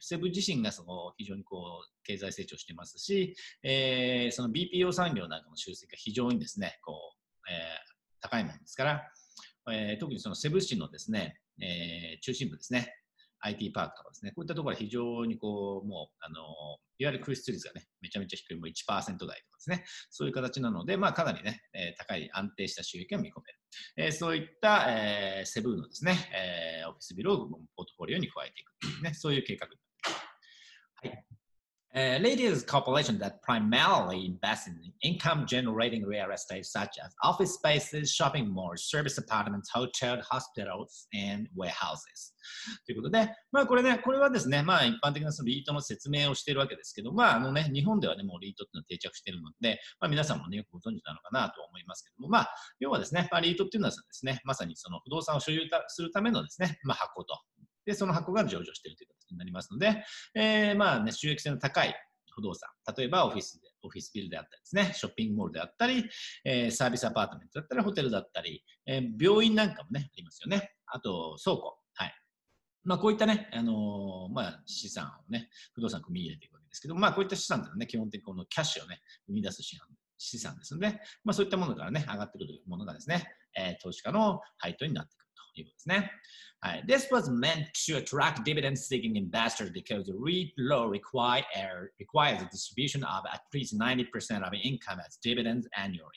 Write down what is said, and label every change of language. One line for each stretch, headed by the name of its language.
Japanese: セブ自身がその非常にこう、経済成長してますし、その BPO 産業なんかの集積が非常にですね、こう、高いものですから、特にそのセブ市のですね、中心部ですね、IT パークとかですね、こういったところは非常にこう、もう、いわゆる空室率がね、めちゃめちゃ低い、もう 1% 台とかですね、そういう形なので、まあかなりね、高い安定した収益を見込める。そういった、セブンのですね、オフィスビルをポートフォリオに加えていくというね、そういう計画になります。はい。
English: Leading corporation that primarily invests in income-generating real estate such as office spaces, shopping malls, service apartments, hotels, hospitals, and warehouses.
Japanese: ということで、まあこれね、これはですね、まあ一般的なそのリートの説明をしているわけですけど、まあね、日本ではね、もうリートっていうのは定着しているので、まあ皆さんもね、よくご存知なのかなと思いますけども、まあ要はですね、まあリートっていうのはですね、まさにその不動産を所有するためのですね、まあ箱と。で、その箱が上場しているということになりますので、まあね、収益性の高い不動産、例えばオフィスビルであったりですね、ショッピングモールであったり、サービスアパートメントだったり、ホテルだったり、病院なんかもね、ありますよね。あと、倉庫。はい。まあ、こういったね、まあ、資産をね、不動産を組み入れていくわけですけど、まあ、こういった資産というのはね、基本的にこのキャッシュをね、生み出す資産ですので、まあ、そういったものからね、上がってくるものがですね、投資家の配当になってくる。ですね。はい。
English: This was meant to attract dividend-seeking investors because the REIT law requires the distribution of at least 90% of income as dividends annually.